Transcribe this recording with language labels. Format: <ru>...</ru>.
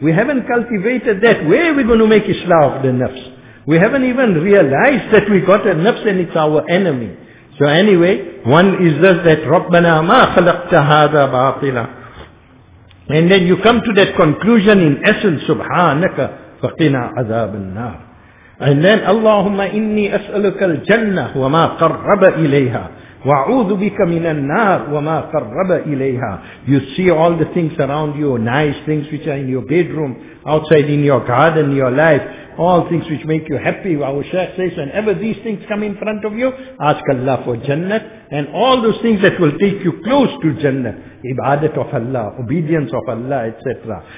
<en>We haven't cultivated that. Where are we going to make islah of the nafs? We haven't even realized that we got a nafs and it's our enemy. So anyway, one is this, that</en> <ar>رَبَّنَا مَا خَلَقْتَ هَذَا بَاطِلًا.</ar> <en>And then you come to that conclusion in essence,</en> <ar>سُبْحَانَكَ فَقِنَا عَذَابَ النَّارِ.</ar> <en>And then</en> <ar>اللَّهُمَّ إِنِّي أَسْأَلُكَ الْجَنَّةِ وَمَا قَرَّبَ إِلَيْهَا وَعُوذُ بِكَ مِنَ النَّارِ وَمَا قَرَّبَ إِلَيْهَا.</ar> <en>You see all the things around you, nice things which are in your bedroom, outside in your garden, your life, all things which make you happy. Our Shaykh says, whenever these things come in front of you, ask Allah for Jannah. And all those things that will take you close to Jannah, ibadat of Allah, obedience of Allah, etc.</en>